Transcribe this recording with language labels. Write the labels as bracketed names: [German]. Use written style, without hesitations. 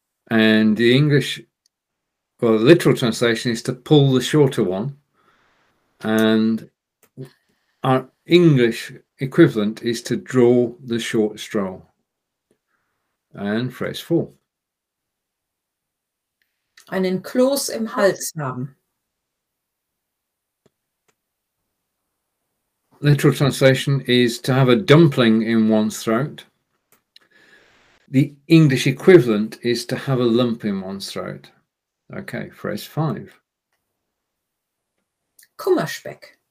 [English] And the English, well, the literal translation is to pull the shorter one. And our English equivalent is to draw the short straw. And phrase four. [German] Einen Kloß im Hals haben. [English] Literal translation is to have a dumpling in one's throat. The English equivalent is to have a lump in one's throat. Okay, phrase five. [German] Kummerspeck.